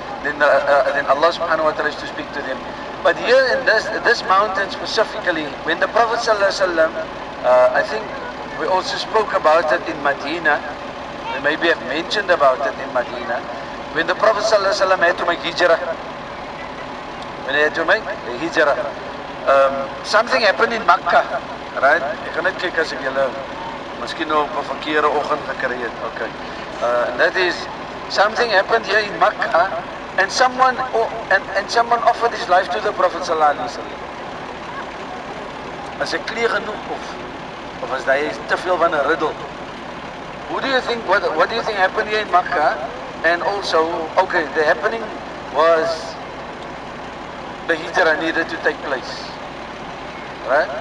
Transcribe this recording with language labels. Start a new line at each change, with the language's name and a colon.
English: Then Allah Subhanahu Wa Ta'ala is to speak to them. But here in this mountain specifically, when the Prophet Sallallahu Alaihi Wasallam, I think we also spoke about it in Medina, we maybe have mentioned about it in Medina, when the Prophet Sallallahu Alaihi Wasallam had to make hijrah, when he had to make hijrah, something happened in Makkah, right?
Afrikaans: Ek kan net kyk as ek julle miskien nou op 'n verkeerde oggend gekry het, okay.
English: That is, something happened here in Makkah, and someone offered his life to the Prophet Sallallahu Alaihi Wasallam. Is it clear
Afrikaans: genoeg of was daar is te veel van 'n riddle?
English: Who do you think, what do you think happened here in Makkah? And also, okay, the happening was the hijrah needed to take place, right?